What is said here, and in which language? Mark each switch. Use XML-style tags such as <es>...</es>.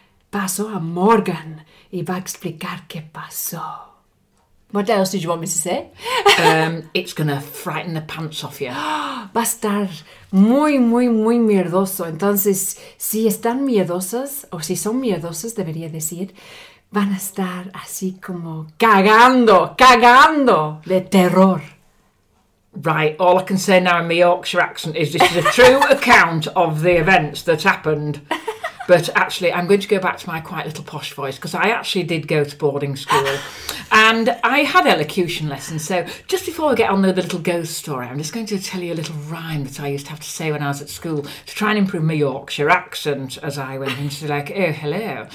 <es>Pasó a Morgan y va a explicar qué pasó.</es> <en>What else did you want me to say? It's going to frighten the pants off you.</en> <es>Va a estar muy, muy, muy miedoso. Entonces, si están miedosas, o si son miedosas, debería decir, van a estar así como cagando de terror.</es> <en>Right, all I can say now in my Yorkshire accent is this is a true account of the events that happened. But actually, I'm going to go back to my quiet little posh voice, because I actually did go to boarding school and I had elocution lessons. So just before I get on the little ghost story, I'm just going to tell you a little rhyme that I used to have to say when I was at school to try and improve my Yorkshire accent as I went into like, oh, hello.</en>